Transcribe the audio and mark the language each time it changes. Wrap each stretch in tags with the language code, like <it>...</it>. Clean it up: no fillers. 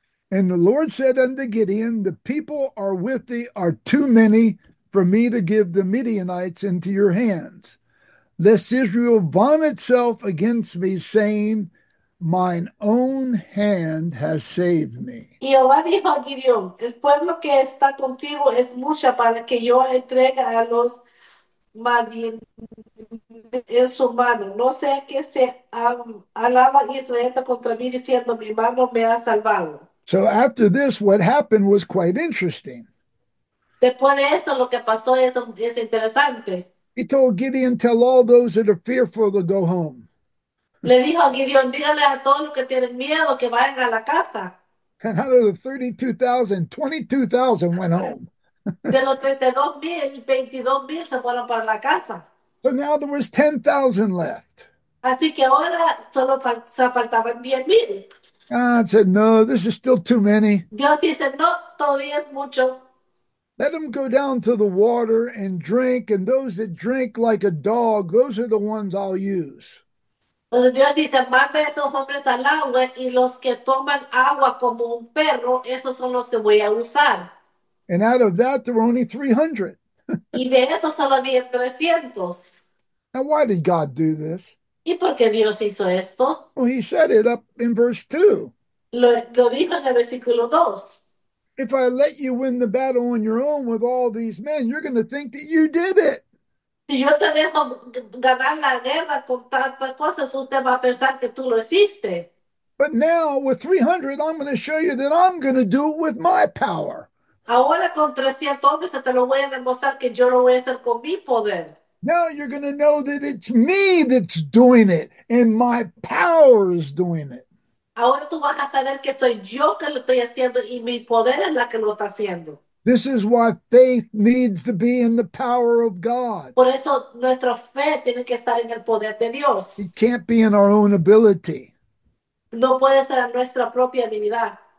<en>And the Lord said unto Gideon, the people are with thee are too many for me to give the Midianites into your hands, lest Israel vaunt itself against me, saying, mine own hand has saved me.</en> <es>Y Jehová dijo a Gideón, el pueblo que está contigo es mucha para que yo entregue a los Madian en su mano. No sea que se alaba Israel contra mí diciendo, mi mano me ha salvado.</es> <en>So after this, what happened was quite interesting.</en> <es>Después de eso, lo que pasó es interesante.</es> <en>He told Gideon, tell all those that are fearful to go home.</en> <es>Le dijo a Gideón, dígale a todos los que tienen miedo que vayan a la casa.</es> <en>And out of the 32,000, 22,000 went home.</en> <es>De los 32.000, 22.000 se fueron para la casa.</es> <en>So now there was 10,000 left.</en> <es>Así que ahora solo faltaban 10.000.</es> <en>God said, no, this is still too many.</en> <es>Dios dice, no, todavía es mucho.</es> <en>Let them go down to the water and drink, and those that drink like a dog, those are the ones I'll use.</en> <es>Entonces Dios dice, manda a esos hombres al agua y los que toman agua como un perro, esos son los que voy a usar.</es> <en>And out of that, there were only 300.</en> <es>Y de eso solo había 300.</es> <en>Now, why did God do this?</en> <es>¿Y por qué Dios hizo esto?</es> <en>Well, he said it up in verse 2.</en> <es>Lo dijo en el versículo 2.</es> <en>If I let you win the battle on your own with all these men, you're going to think that you did it.</en> <es>Si yo te dejo ganar la guerra con tantas cosas, usted va a pensar que tú lo hiciste.</es> <en>But now, with 300, I'm going to show you that I'm going to do it with my power.</en> <es>Ahora con 300 hombres te lo voy a demostrar que yo lo voy a hacer con mi poder.</es> <en>Now you're going to know that it's me that's doing it and my power is doing it.</en> <es>Ahora tú vas a saber que soy yo que lo estoy haciendo y mi poder es la que lo está haciendo.</es> <en>This is why faith needs to be in the power of God.</en> <es>Por eso nuestra fe tiene que estar en el poder de</es> <en>It</en> <es>Dios.</es> <en>can't be in our own ability,</en> <es>No puede ser en nuestra propia habilidad.</es>